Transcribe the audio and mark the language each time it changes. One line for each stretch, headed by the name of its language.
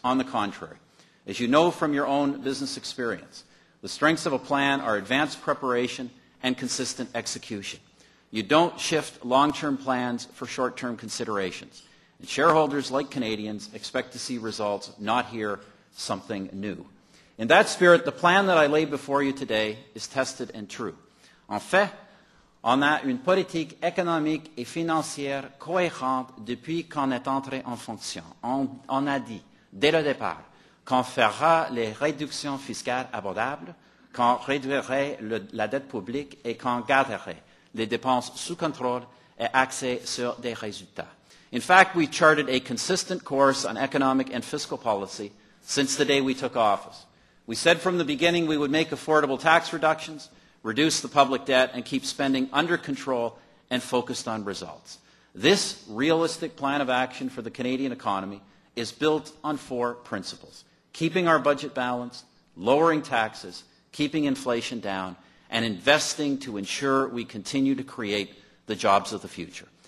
English: On the contrary, as you know from your own business experience, the strengths of a plan are advanced preparation and consistent execution. You don't shift long-term plans for short-term considerations. And shareholders, like Canadians, expect to see results, not hear something new. In that spirit, the plan that I lay before you today is tested and true.
French: En fait, on a une politique économique et financière cohérente depuis qu'on est entré en fonction. On a dit, dès le départ, qu'on fera les réductions fiscales abordables, qu'on réduirait la dette publique et qu'on garderait les dépenses sous contrôle et axées sur des résultats.
English: In fact, we charted a consistent course on economic and fiscal policy since the day we took office. We said from the beginning we would make affordable tax reductions, reduce the public debt, and keep spending under control and focused on results. This realistic plan of action for the Canadian economy is built on four principles: keeping our budget balanced, lowering taxes, keeping inflation down, and investing to ensure we continue to create the jobs of the future.